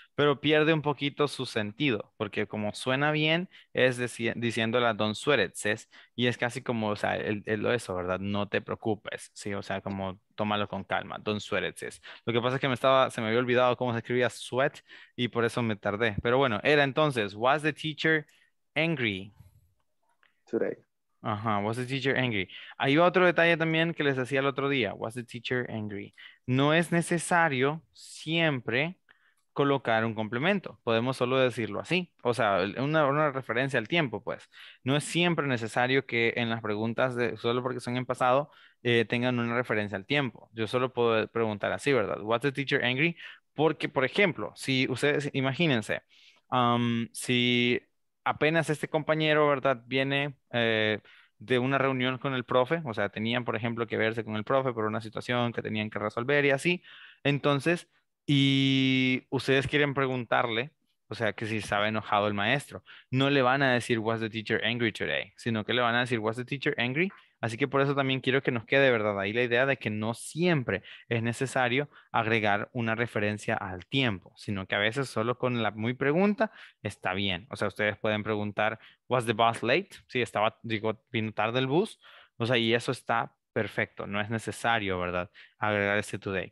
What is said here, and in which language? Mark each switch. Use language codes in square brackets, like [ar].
[es] pero pierde un poquito su sentido, porque como suena bien, es diciendo la [en] don't sweat it, sis, [es] y es casi como, o sea, el eso, ¿verdad? No te preocupes, ¿sí? O sea, como tómalo con calma, [en] don't sweat it, sis. [es] Lo que pasa es que se me había olvidado cómo se escribía sweat, y por eso me tardé. Pero bueno, era entonces, [en] was the teacher angry? Today. [es] Ajá, [en] was the teacher angry? [es] Ahí va otro detalle también que les decía el otro día, was the teacher angry? No es necesario siempre colocar un complemento, podemos solo decirlo así, o sea, una referencia al tiempo, pues. No es siempre necesario que en las preguntas, solo porque son en pasado, tengan una referencia al tiempo. Yo solo puedo preguntar así, ¿verdad? [en] Was the teacher angry? [es] Porque, por ejemplo, si ustedes, imagínense, si... apenas este compañero, ¿verdad? Viene de una reunión con el profe. O sea, tenían, por ejemplo, que verse con el profe por una situación que tenían que resolver y así. Entonces, y ustedes quieren preguntarle, o sea, que si estaba enojado el maestro. No le van a decir, [en] was the teacher angry today? [es] Sino que le van a decir, [en] was the teacher angry? [es] Así que por eso también quiero que nos quede, ¿verdad? Ahí la idea de que no siempre es necesario agregar una referencia al tiempo, sino que a veces solo con la muy pregunta está bien. O sea, ustedes pueden preguntar, [en] was the bus late? [es] Sí, estaba, digo, vino tarde el bus. O sea, y eso está perfecto. No es necesario, ¿verdad? Agregar este today.